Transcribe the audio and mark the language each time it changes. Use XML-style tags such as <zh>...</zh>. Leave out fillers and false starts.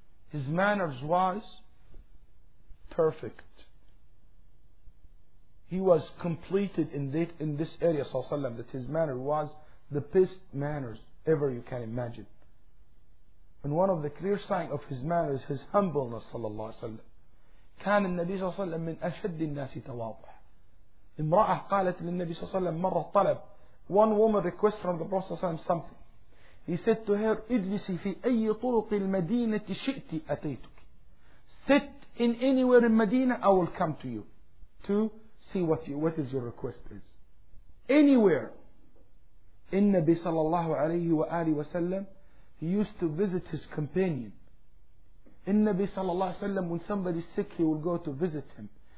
<en>His manners was perfect. He was completed in this area sallallahu alayhi wa sallam, that his manner was the best manners ever you can imagine. And one of the clear signs of his manners, his humbleness sallallahu alayhi wa sallam.</en> <ar>كان النبي صلى الله عليه وسلم من أشد الناس تواضع. امرأة قالت للنبي صلى الله عليه وسلم مرة طلب.</ar> <en>One woman request from the Prophet صلى الله عليه وسلم something. He said to her,</en> <ar>اجلسي في أي طرق المدينة شئت أتيتك.</ar> <en>Sit in anywhere in Medina, I will come to you to see what your request is. Anywhere.</en> <ar>النبي صلى الله عليه وآله وسلم</ar> <en>he used to visit his companion. Innabi sallallahu alayhi wa sallam, when somebody is sick, he will go to visit him.</en>